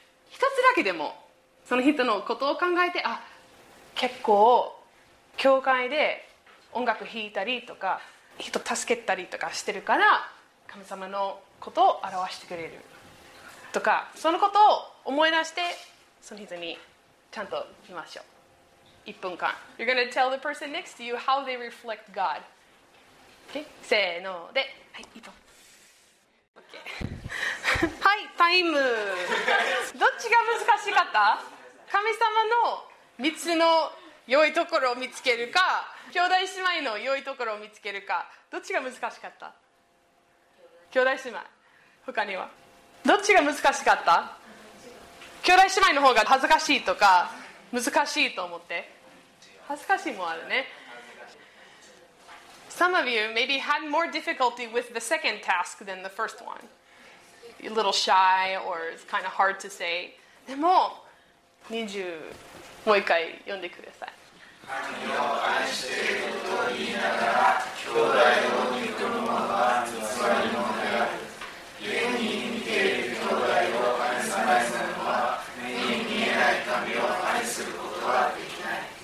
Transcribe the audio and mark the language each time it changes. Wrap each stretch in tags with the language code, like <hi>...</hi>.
<ja>一つだけでもその人のことを考えて、あ、結構教会で音楽弾いたりとか人助けたりとかしてるから神様のことを表してくれるとか、そのことを思い出してその人にちゃんと言いましょう。 1分間。</ja> <en>You're gonna tell the person next to you how they reflect God.</en> <ja>OK? せーので、はい、1分。 OK。 はい、タイム。どっちが難しかった？神様の3つの良いところを見つけるか、兄弟姉妹の良いところを見つけるか、どっちが難しかった？兄弟姉妹。他にはどっちが難しかった？兄弟姉妹の方が恥ずかしいとか難しいと思って。恥ずかしいもあるね。</ja> <en>Some of you maybe had more difficulty with the second task than the first one. A little shy or it's kind of hard to say.</en> <ja>でも 20もう一回読んでください。神を愛していると言いながら兄弟を憎むのは偽りのである。現に見ている兄弟を愛さないのは目に見えない神を愛することはできない。</ja>